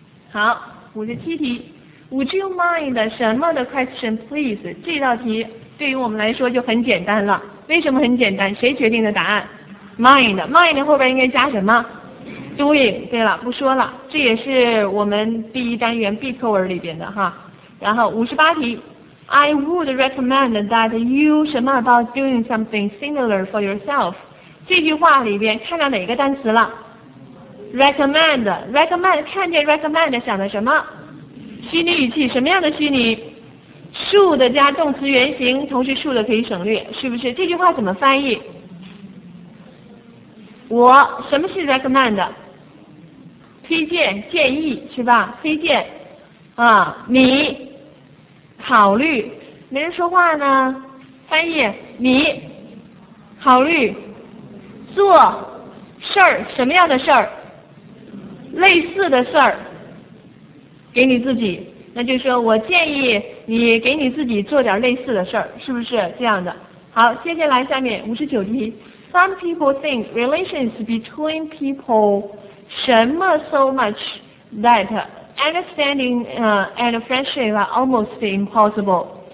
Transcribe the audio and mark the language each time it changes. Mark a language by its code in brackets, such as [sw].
[zh] 好，57题 [en] ，Would you mind [zh] 什么的 [en] question please？ [zh] 这道题对于我们来说就很简单了。为什么很简单？谁决定的答案 ？Mind 后边应该加什么 ？Doing。对了，不说了，这也是我们第一单元 B 课文里边的哈。然后58题 [en] ，I would recommend that you [zh] 什么 [en] about doing something similar for yourself？ [zh] 这句话里边看到哪个单词了？ recommend 看见 recommend 想的什么虚拟语气？什么样的虚拟？should 加动词原形，同时 should 可以省略，是不是？这句话怎么翻译？我什么是 recommend？ 推荐建议是吧？推荐啊，你考虑，没人说话呢，翻译你考虑做事儿，什么样的事儿？类似的事儿，给你自己，那就说我建议你给你自己做点类似的事儿，是不是这样的？好，接下来下面59题 [en] ，Some people think relations between people [zh] 什么 [en] so much that understanding and friendship are almost impossible。